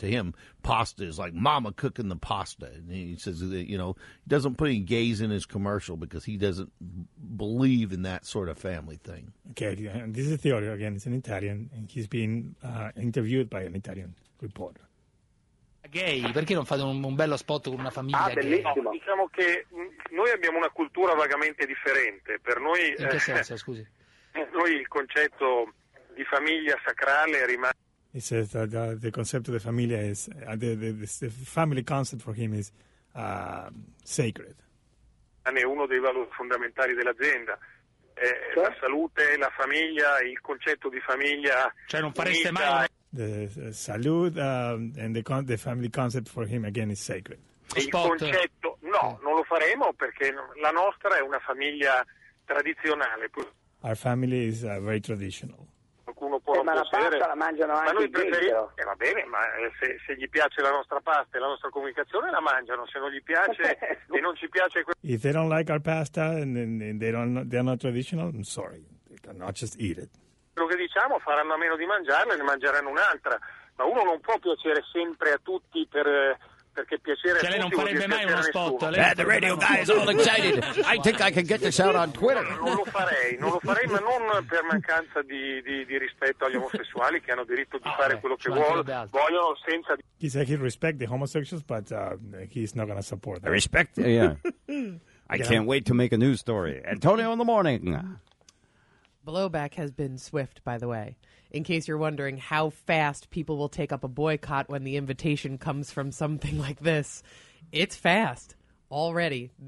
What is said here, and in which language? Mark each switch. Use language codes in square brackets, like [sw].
[en] To him, pasta is like mama cooking the pasta. And he says that, you know, he doesn't put any gays in his commercial because he doesn't believe in that sort of family thing. Okay, and this is Theodore again. It's an Italian, and he's being interviewed by an Italian reporter. [it] Gay, perché non fate un bello spot con una famiglia gay? No, diciamo che noi abbiamo una cultura vagamente differente. Per noi, in che senso, scusi? Noi il concetto di famiglia sacrale rimane. [en] He says that the concept of the famiglia is the family concept for him is sacred. [it] È uno dei valori fondamentali dell'azienda. Cioè? La salute, la famiglia, il concetto di famiglia. Cioè non fareste mai. [en] The salute and the family concept for him again is sacred. [it] Il concetto no, non lo faremo perché la nostra è una famiglia tradizionale. [en] Our family is very traditional. [it] Qualcuno può ma la pasta la mangiano anche ma noi va bene, ma se gli piace la nostra pasta e la nostra comunicazione la mangiano, se non gli piace e non ci piace. [en] If they don't like our pasta and they're not traditional, I'm sorry, they cannot just eat it. [it] Quello che diciamo, faranno a meno di mangiarla e ne mangeranno un'altra, ma uno non può piacere sempre a tutti perché piacere cioè a tutti non farebbe mai uno spot. [en] The radio guy is all excited. I think I can get this out on Twitter. [it] Non lo farei, ma non per mancanza di rispetto agli omosessuali che hanno diritto di fare quello che vogliono senza. [en] He said he respect the homosexuals, but he's not going to support them. I respect, yeah. I can't wait to make a news story. Antonio in the morning. Blowback has been swift, by the way. In case you're wondering how fast people will take up a boycott when the invitation comes from something like this, it's fast. already.